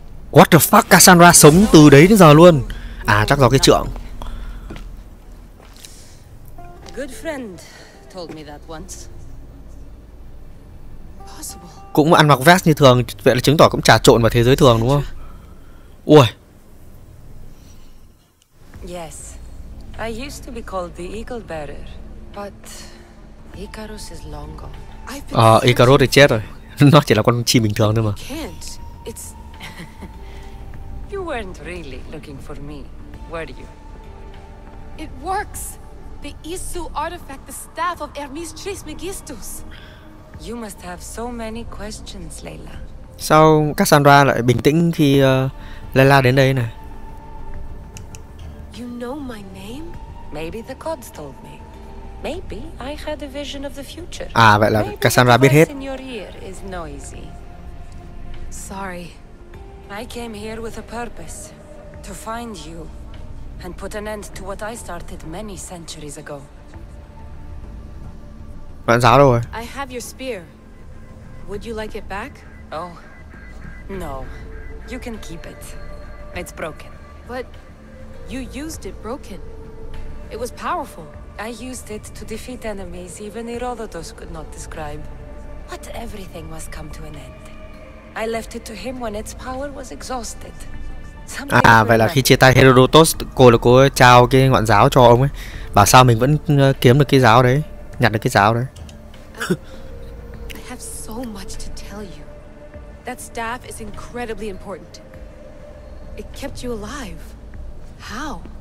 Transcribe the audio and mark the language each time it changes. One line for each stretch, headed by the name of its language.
English: What the fuck,
Vietnamese: Cassandra sống từ đấy đến giờ luôn. À chắc do cái trượng.
English: Good friend told me that once. Possible.
Vietnamese: Cũng ăn mặc vest như thường, vậy là chứng tỏ cũng trà trộn vào thế giới thường đúng không? Ui.
English: Yes. I used to be called the Eagle Bearer, but Icarus is long gone.
Vietnamese: Icarus thì chết rồi. Nó chỉ là con chim bình thường thôi mà.
English: Can't. It's You weren't really looking for me, were you? It works. The Isu artifact, the staff of Hermes Trismegistus. You must have so many questions, Layla.
Vietnamese: Sao Cassandra lại bình tĩnh khi Layla đến đây này?
English: You know my name? Maybe the gods told me. Maybe I had a vision of the future.
Vietnamese: À vậy là Maybe Cassandra biết hết.
English: In your ear is noisy. Sorry. I came here with a purpose. To find you. And put an end to what I started many centuries ago.
Vietnamese: Bạn giáo đâu rồi?
English: I have your spear. Would you like it back? Oh, no. You can keep it. It's broken. But you used it broken. It was powerful. I used it to defeat enemies even Herodotus could not describe. But everything must come to an end. I left it to him when its power was exhausted.
Vietnamese: À, vậy là khi chia tay Herodotus, cô là cô trao cái ngọn giáo cho ông ấy. Bảo sao mình vẫn kiếm được cái giáo đấy, nhặt được cái giáo đấy.
English: I have so much to tell you. That staff is incredibly important. It kept you alive. How?